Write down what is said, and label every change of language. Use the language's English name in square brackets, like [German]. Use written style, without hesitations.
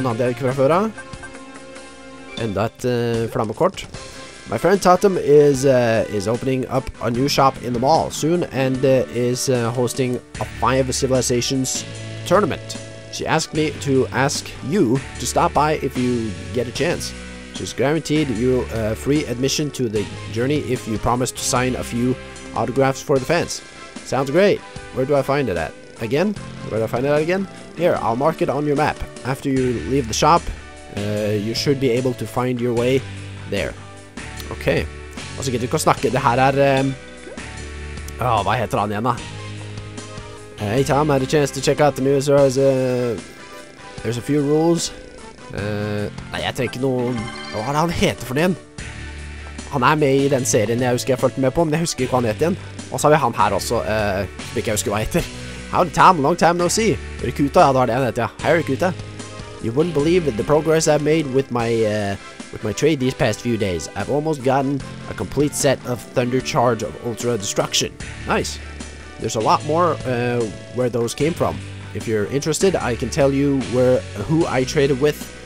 [Norwegian] Den hadde jeg ikke fra før, da. Enda et flammekort. [English] My friend Tatum is opening up a new shop in the mall soon and is hosting a 5 Civilizations tournament. She asked me to ask you to stop by if you get a chance. She's guaranteed you free admission to the journey if you promise to sign a few autographs for the fans. Sounds great. Where do I find it at? Again? Where do I find it at again? Here, I'll mark it on your map. After you leave the shop, you should be able to find your way there. [Norwegian] Okay. Og så gidder vi ikke å snakke. Det her hva heter han igjen da? [English] Hey Tom, had a chance to check out the news. There's a few rules. [Norwegian] Nei, jeg trenger ikke noe. Hva er det han heter for den? Han med i den serien jeg husker jeg følte med på, men jeg husker ikke hva han heter igjen. Og så har vi han her også, ikke jeg husker hva han heter. [English] Howdy Tom, long time no see. [Norwegian] Rekuta, ja, det var det han heter, ja. Hei Rekuta. [English] You wouldn't believe the progress I've made with my trade these past few days. I've almost gotten a complete set of Thunder Charge of Ultra Destruction. Nice. There's a lot more where those came from. If you're interested, I can tell you who I traded with